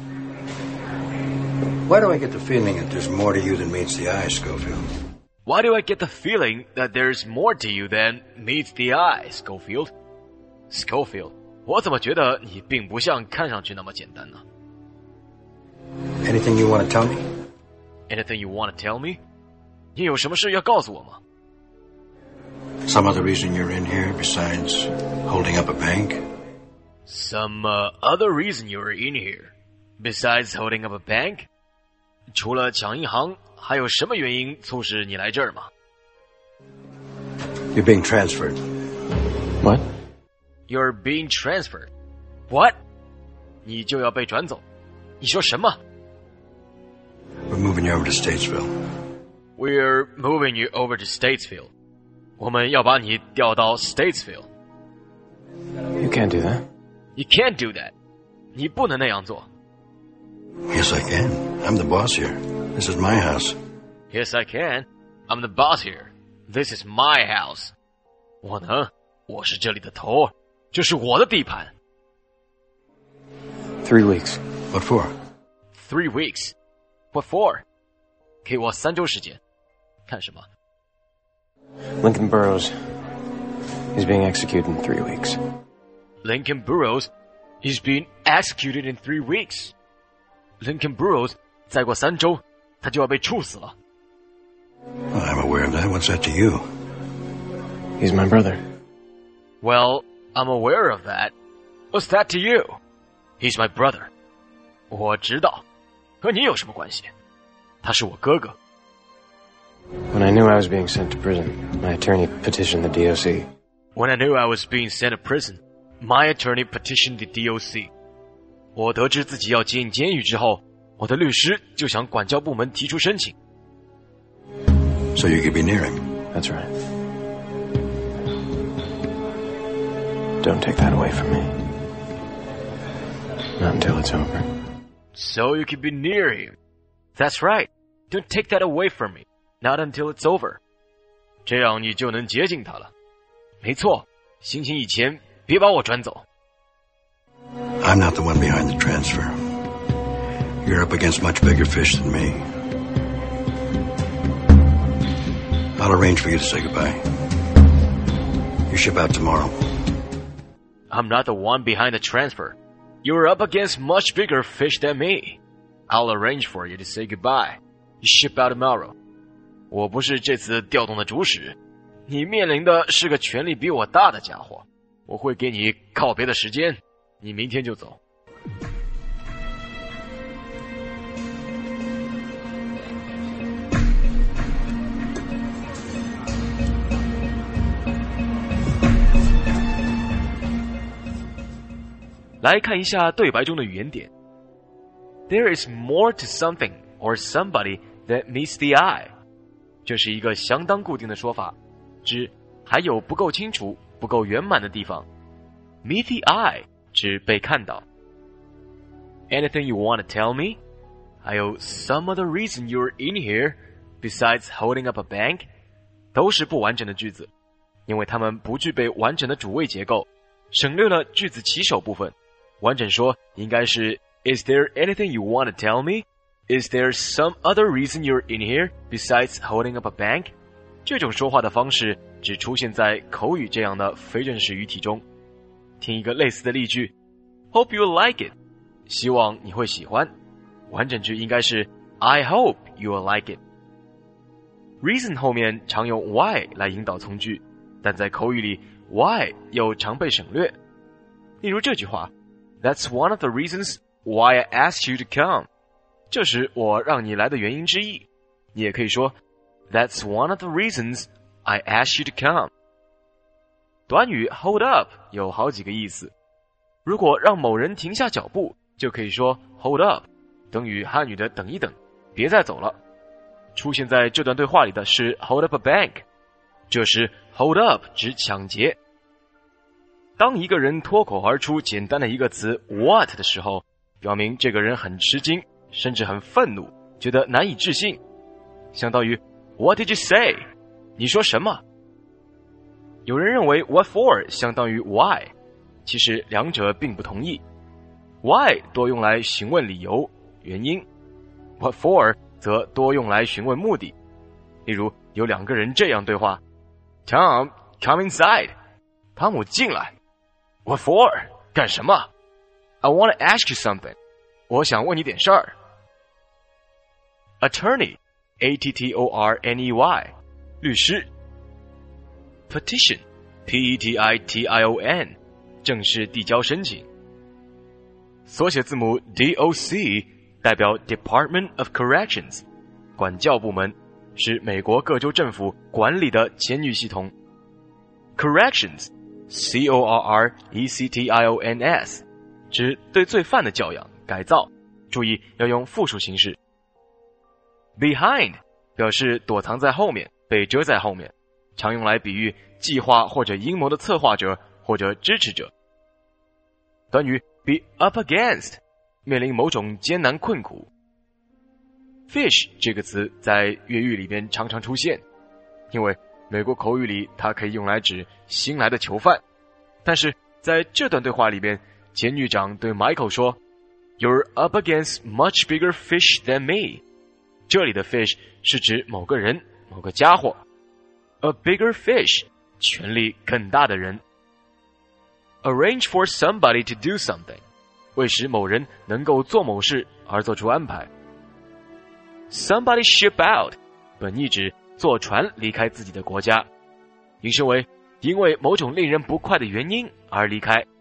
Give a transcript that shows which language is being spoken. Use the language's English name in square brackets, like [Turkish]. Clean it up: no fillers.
[English] Why do I get the feeling that there's more to you than meets the eye, Schofield? Why do I get the feeling that there's more to you than meets the eye, Schofield? [Chinese] Schofield, 我怎么觉得你并不像看上去那么简单呢？ [English] Anything you want to tell me? Anything you want to tell me? [Chinese] 你有什么事要告诉我吗？ [English] Some other reason you're in here besides holding up a bank? Some other reason you're in here besides holding up a bank? [Chinese] 除了抢银行，还有什么原因促使你来这儿吗？ [English] You're being transferred. What? You're being transferred. What? [Chinese] 你就要被转走。你说什么？ [English] We're moving you over to Statesville. We're moving you over to Statesville. [Chinese] 我们要把你调到 Statesville. [English] You can't do that. You can't do that. [Chinese] 你不能那样做。 [English] Yes, I can. I'm the boss here. This is my house. Yes, I can. I'm the boss here. This is my house. [Chinese] 我呢？我是这里的头，这是我的地盘。 [English] 3 weeks. What for? 3 weeks. What for? [Chinese] 给我三周时间。干什么？ [English] Lincoln Burroughs is being executed in 3 weeks. Lincoln Burroughs is being executed in 3 weeks. [Chinese] Lincoln Burroughs, 再过三周他就要被处死了。 [English] Well, I'm aware of that. What's that to you? He's my brother. Well, I'm aware of that. What's that to you? He's my brother. [Chinese] 我知道，和你有什么关系？他是我哥哥。 [English] When I knew I was being sent to prison, my attorney petitioned the DOC. When I knew I was being sent to prison, my attorney petitioned the DOC. [Chinese] 我得知自己要进监狱之后，我的律师就向管教部门提出申请。 [English] So you could be near him. That's right. Don't take that away from me. Not until it's over. So you could be near him. That's right. Don't take that away from me. Not until it's over. [Chinese] 这样你就能接近他了。没错，行刑以前别把我转走。 [English] I'm not the one behind the transfer. You're up against much bigger fish than me. I'll arrange for you to say goodbye. You ship out tomorrow. I'm not the one behind the transfer. You're up against much bigger fish than me. I'll arrange for you to say goodbye. You ship out tomorrow. [Chinese] 我不是这次调动的主使，你面临的是个权力比我大的家伙。我会给你告别的时间。你明天就走。来看一下对白中的语言点。 [English] There is more to something or somebody that meets the eye. [Chinese] 这是一个相当固定的说法，指还有不够清楚、不够圆满的地方。 [English] Meet the eye. [Chinese] 指被看到。 [English] Anything you want to tell me? [Chinese] 还有 [English] some other reason you're in here besides holding up a bank? [Chinese] 都是不完整的句子，因为它们不具备完整的主谓结构，省略了句子起首部分。完整说应该是 [English] Is there anything you want to tell me? Is there some other reason you're in here besides holding up a bank? [Chinese] 这种说话的方式只出现在口语这样的非正式语体中。听一个类似的例句 [English] Hope you like it [Chinese] 希望你会喜欢完整句应该是 [English] I hope you will like it [Chinese] Reason 后面常用 why 来引导从句但在口语里 why 又常被省略例如这句话 [English] That's one of the reasons why I asked you to come [Chinese] 这是我让你来的原因之一你也可以说 [English] That's one of the reasons I asked you to come [Chinese] 短语 hold up 有好几个意思。如果让某人停下脚步，就可以说 hold up， 等于汉语的等一等，别再走了。出现在这段对话里的是 [English] hold up a bank， [Chinese] 这时 hold up 指抢劫。当一个人脱口而出简单的一个词 what 的时候，表明这个人很吃惊，甚至很愤怒，觉得难以置信，相当于 [English] what did you say？ [Chinese] 你说什么？有人认为 what for 相当于 why， 其实两者并不同意。 why 多用来询问理由、原因 ，what for 则多用来询问目的。例如，有两个人这样对话 [English] ：Tom, come inside。 [Chinese] 汤姆进来。 [English] what for [Chinese] 干什么 [English] ？I want to ask you something。 [Chinese] 我想问你点事儿。 [English] attorney, attorney， [Chinese] 律师。 [English] petition, petition, [Chinese] 正式递交申请。缩写字母 DOC 代表 Department of Corrections, 管教部门，是美国各州政府管理的监狱系统。 Corrections, C-O-R-R-E-C-T-I-O-N-S, 指对罪犯的教养、改造，注意要用复数形式。 Behind, 表示躲藏在后面、被遮在后面。常用来比喻计划或者阴谋的策划者或者支持者。短语 be up against 面临某种艰难困苦。 fish 这个词在粤语里边常常出现，因为美国口语里它可以用来指新来的囚犯。但是在这段对话里边，监狱长对 Michael 说 [English] You're up against much bigger fish than me。 [Chinese] 这里的 fish 是指某个人、某个家伙。 [English] A bigger fish, [Chinese] 权力更大的人。 [English] Arrange for somebody to do something, [Chinese] 为使某人能够做某事而做出安排。 [English] Somebody ship out, [Chinese] 本意指坐船离开自己的国家。引申为因为某种令人不快的原因而离开。